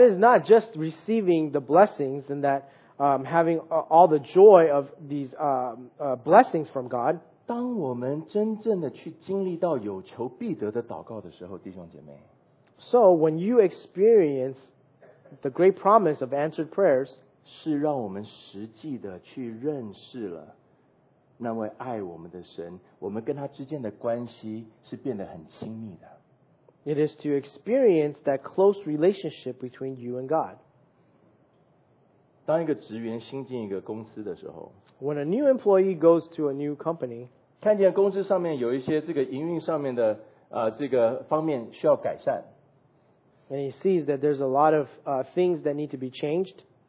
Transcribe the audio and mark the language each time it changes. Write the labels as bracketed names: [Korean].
[English] is not just receiving the blessings and that having all the joy of these blessings from God. [Chinese] 当我们真正的去经历到有求必得的祷告的时候，弟兄姐妹。 [English] So when you experience the great promise of answered prayers, [Chinese] 是让我们实际的去认识了。那位爱我们的神，我们跟他之间的关系是变得很亲密的。 [English] It is to experience that close relationship between you and God. [Chinese] 当一个职员新进一个公司的时候， [English] When a new employee goes to a new company, [Chinese] 看见公司上面有一些这个营运上面的这个方面需要改善， [English] And he sees that there's a lot of things that need to be changed.